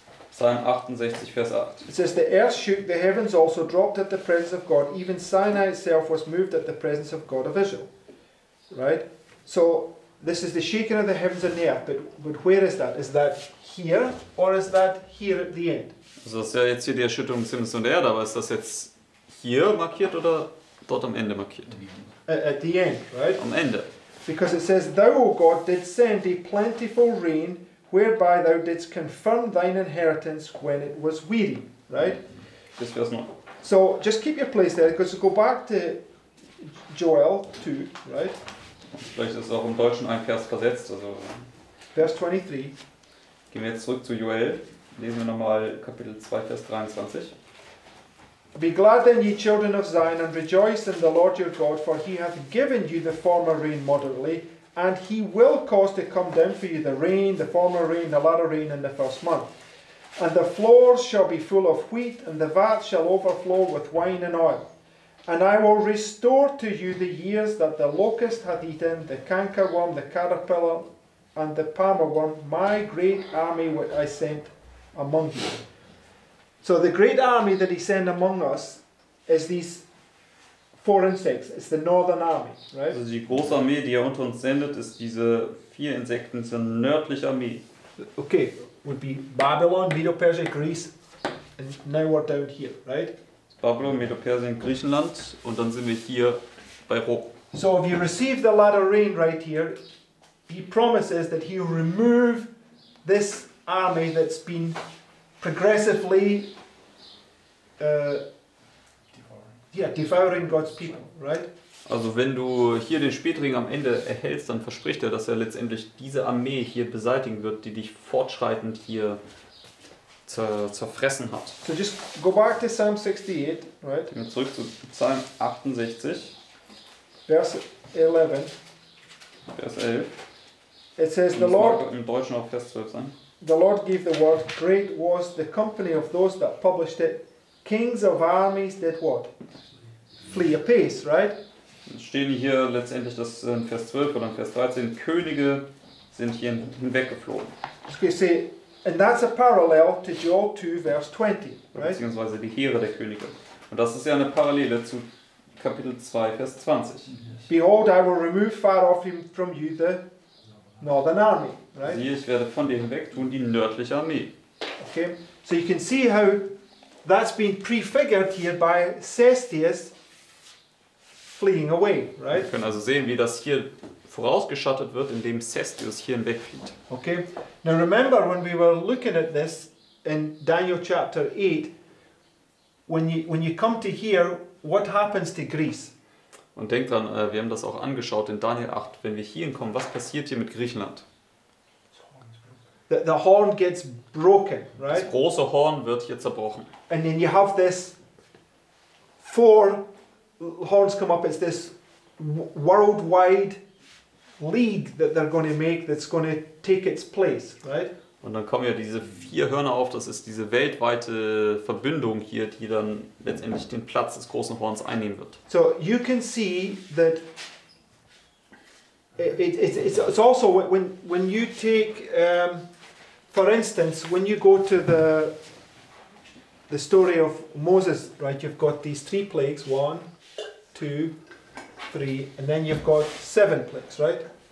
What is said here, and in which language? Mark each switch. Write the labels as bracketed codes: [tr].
[de] Psalm 68, Vers 8. [en] It says, the earth shook, the heavens also dropped at the presence of God, even Sinai itself was moved at the presence of God of Israel. Right? So, this is the shaking of the heavens and the earth, but where is that? Is that here, or is that here at the end? [de] Also, das ist ja jetzt hier die Erschütterung des Himmels und der Erde, aber ist das jetzt hier markiert, oder dort am Ende markiert? [en] At the end, right? [de] Am Ende. [en] Because it says, thou, O God, did send a plentiful rain, whereby thou didst confirm thine inheritance when it was weary, right? This feels not. So just keep your place there, because go back to Joel 2, right? [de] Vielleicht ist auch im Deutschen ein Vers versetzt, also. [en] Verse 23. [de] Gehen wir jetzt zurück zu Joel. Lesen wir nochmal Kapitel 2, Vers 23. [en] Be glad then, ye children of Zion, and rejoice in the Lord your God, for he hath given you the former rain moderately. And he will cause to come down for you the rain, the former rain, the latter rain in the first month. And the floors shall be full of wheat, and the vats shall overflow with wine and oil. And I will restore to you the years that the locust hath eaten, the cankerworm, the caterpillar, and the palmerworm, my great army which I sent among you. So the great army that he sent among us is these four insects. It's the Northern Army, right? [de] Also die große Armee, die er unter uns sendet, ist diese vier Insekten zur nördlichen Armee. [en] Okay, would be Babylon, Medo-Persia, Greece, and now we're down here, right? [de] Babylon, Medo-Persia, Griechenland, und dann sind wir hier bei Rom. [en] So if you receive the latter rain right here, he promises that he will remove this army that's been progressively devouring God's people, right? [de] Also wenn du hier den Spätregen am Ende erhältst, dann verspricht er, dass er letztendlich diese Armee hier beseitigen wird, die dich fortschreitend hier zerfressen hat. [en] So just go back to Psalm 68, right? [de] Gehen wir zurück zu Psalm 68. Vers 11. [en] It says the Lord. [de] Im Deutschen auch Vers 12 sein. [en] The Lord gave the word. Great was the company of those that published it. Kings of armies did what? Flee apace, right? [de] Stehen hier letztendlich das in Vers 12 oder in Vers 13. Könige sind hier hinweggeflohen. [en] Okay, see, and that's a parallel to Joel 2, verse 20, right? [de] Beziehungsweise die Heere der Könige. Und das ist ja eine Parallele zu Kapitel 2, Vers 20. [en] Behold, I will remove far off him from you the northern army, right? [de] Siehe, ich werde von dir hinweg tun die nördliche Armee. [en] Okay, so you can see how that's been prefigured here by Cestius fleeing away, right? [de] Wir können also sehen, wie das hier vorausgeschattet wird, indem Cestius hier hinwegflieht. [en] Okay, now remember when we were looking at this in Daniel chapter 8, when you come to here, what happens to Greece? [de] Und denkt dran, wir haben das auch angeschaut in Daniel 8, wenn wir hier hinkommen, was passiert hier mit Griechenland? [en] The horn gets broken, right? [de] Das große Horn wird hier zerbrochen. [en] And then you have this four horns come up, it's this worldwide league that they're going to make that's going to take its place, right? [de] Und dann kommen ja diese vier Hörner auf, das ist diese weltweite Verbindung hier, die dann letztendlich den Platz des großen Horns einnehmen wird. [en] So you can see that it's also when you take for instance, when you go to the story of Moses, right, you've got these three plagues, 1, 2, 3, and then you've got seven plagues, right?